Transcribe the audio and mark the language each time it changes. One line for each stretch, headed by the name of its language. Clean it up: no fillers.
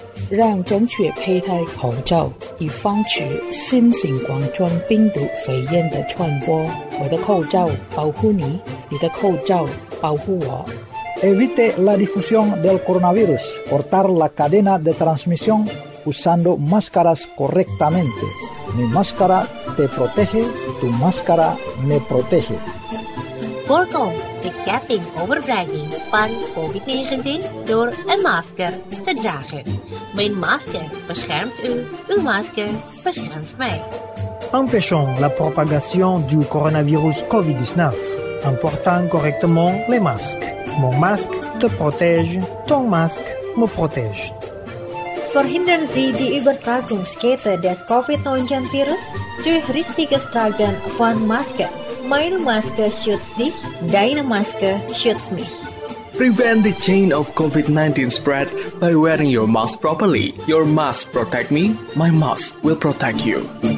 Chinese: 让正确佩戴口罩，以防止新型冠状病毒肺炎的传播。我的口罩保护你，你的口罩保护我。
Spanish: Evite la difusión del coronavirus. Cortar la cadena de transmisión usando máscaras correctamente. Mi máscara te protege, tu máscara me protege.
English: Welcome to getting over dragging
Dutch: van COVID-19 door een masker te dragen. Mijn masker beschermt u, uw masker beschermt mij.
French: Empêchons la propagation du coronavirus COVID-19. en portant correctement les masques. Mon masque te protège, ton masque me protège.
German: Verhindern Sie die Übertragungskette des COVID-19 Virus durch richtiges Tragen von Maske. Meine Maske schützt dich, deine Maske schützt mich.
English: Prevent the chain of COVID-19 spread by wearing your mask properly. Your mask protect me, my mask will protect you.